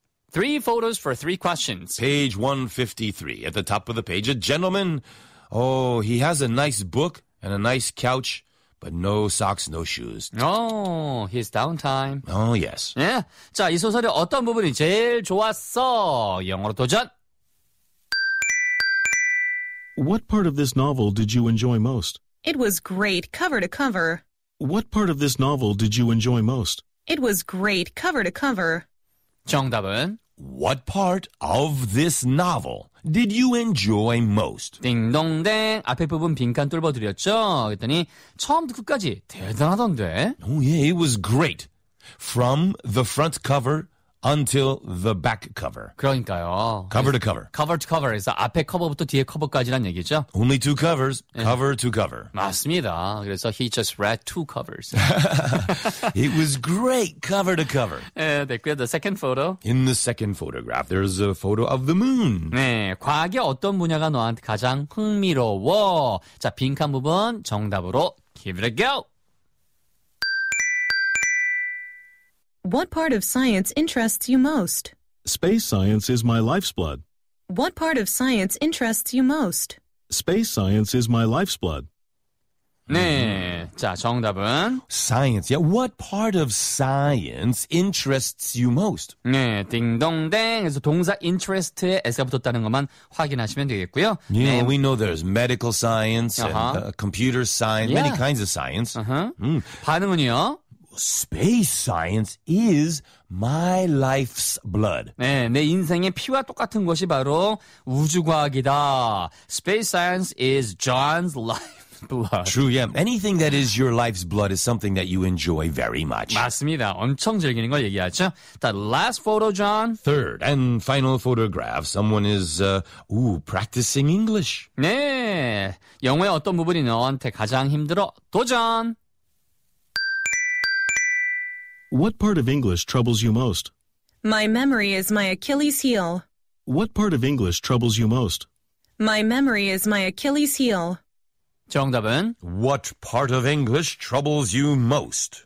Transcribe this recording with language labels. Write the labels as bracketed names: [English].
[English] Three photos for three questions. Page 153. At the top of the page, a gentleman. Oh, he has a nice book and a nice couch, but no socks, no shoes. Oh, his downtime. Oh, yes. Yeah. [Korean] 자, 이 소설의 어떤 부분이 제일 좋았어? 영어로 도전! [English] What part of this novel did you enjoy most? It was great, cover to cover. What part of this novel did you enjoy most? It was great, cover to cover. [Korean] 정답은? [English] What part of this novel did you enjoy most? [Korean] 딩동댕. 앞에 부분 빈칸 뚫어드렸죠? 그랬더니 처음부터 끝까지 대단하던데. [English] Oh yeah, it was great. From the front cover until the back cover. [Korean] 그러니까요. [English] Cover to cover. Cover to cover. [Korean] 그래서 앞에 커버부터 뒤에 커버까지란 얘기죠. [English] Only two covers. Cover [Korean] 네. [English] to cover. [Korean] 맞습니다. 그래서 [English] he just read two covers. It was great cover to cover. [Korean] 네, 됐고요. [English] The second photo. In the second photograph, there's a photo of the moon. [Korean] 네, 과학의 어떤 분야가 너한테 가장 흥미로워? 자, 빈칸 부분 정답으로 [English] give it a go. What part of science interests you most? Space science is my life's blood. What part of science interests you most? Space science is my life's blood. [Korean] 네, 자, 정답은? [English] Science, yeah. What part of science interests you most? [Korean] 네, 딩동댕. 그래서 동사 interest에 S가 붙었다는 것만 확인하시면 되겠고요. [English] You know, we know there's medical science, and computer science, many kinds of science. [Korean] Uh-huh. 반응은요? [English] Space science is my life's blood. [Korean] 네, 내 인생의 피와 똑같은 것이 바로 우주과학이다. [English] Space science is John's life's blood. True, yeah. Anything that is your life's blood is something that you enjoy very much. [Korean] 맞습니다. 엄청 즐기는 걸 얘기하죠. [English] The last photo, John. Third and final photograph. Someone is practicing English. [Korean] 네, 영어의 어떤 부분이 너한테 가장 힘들어? 도전! [English] What part of English troubles you most? My memory is my Achilles heel. What part of English troubles you most? My memory is my Achilles heel. [Korean] 정답은? [English] What part of English troubles you most?